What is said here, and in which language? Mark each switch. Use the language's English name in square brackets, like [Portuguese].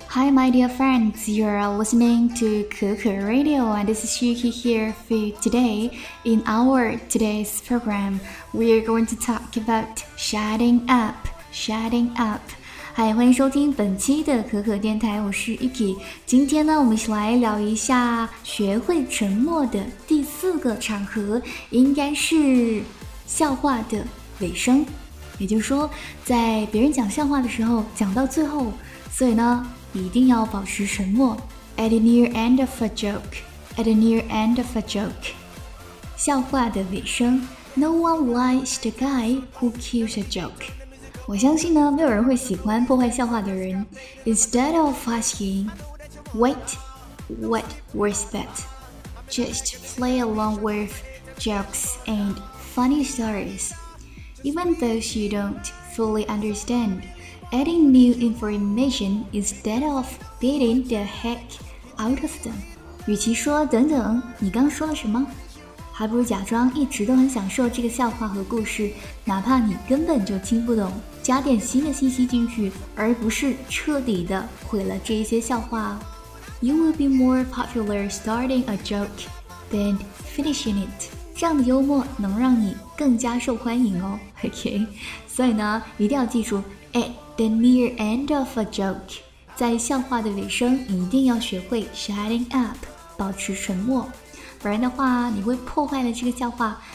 [English] my dear friends, you are listening to Kuku Radio, and this is Yuki here for you today. In our today's program, we are going to talk about shutting up, shutting up. [Chinese] Hi, 欢迎收听本期的可可电台，我是 Yuki。今天呢，我们一起来聊一下学会沉默的第四个场合，应该是笑话的尾声。也就是说，在别人讲笑话的时候，讲到最后，所以呢一定要保持沉默。 [English] At the near end of a joke, at the near end of a joke, [Chinese] 笑话的尾声。 [English] No one likes the guy who kills a joke. [Chinese] 我相信呢没有人会喜欢破坏笑话的人。 [English] Instead of asking, wait, what was that? Just play along with jokes and funny stories. Even those you don't fully understandAdding new information instead of beating the heck out of them. [Chinese] 与其说等等，你刚说了什么？还不如假装一直都很享受这个笑话和故事，哪怕你根本就听不懂，加点新的信息进去，而不是彻底的毁了这些笑话。 [English] You will be more popular starting a joke than finishing it. [Chinese] 这样的幽默能让你更加受欢迎哦 ，OK。所以呢，一定要记住 ， [English] at the near end of a joke， [Chinese] 在笑话的尾声，一定要学会 [English] shutting up， [Chinese] 保持沉默，不然的话，你会破坏了这个笑话。